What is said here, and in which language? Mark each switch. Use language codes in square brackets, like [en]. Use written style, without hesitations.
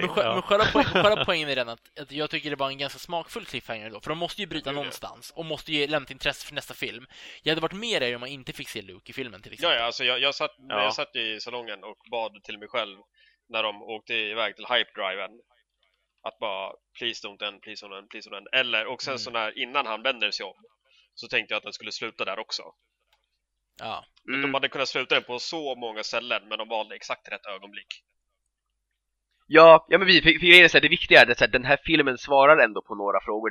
[sv] Men själva poängen är den att jag tycker det var en ganska smakfull cliffhanger då. För de måste ju bryta någonstans. Och måste ju lämna intresse för nästa film. Jag hade varit med där om man inte fick se Luke i filmen till exempel. Ja, alltså jag satt i salongen och bad till mig själv när de åkte iväg till hype-driven. Att bara, [en] please don't end, please don't end, please don't end. [sv] Eller, och sen så när, innan han vänder sig om, så tänkte jag att den skulle sluta där också. Ja. Mm. De hade kunnat sluta den på så många ställen, men de valde exakt rätt ögonblick. Ja, men grejen är så här, det viktiga är att den här filmen svarar ändå på några frågor.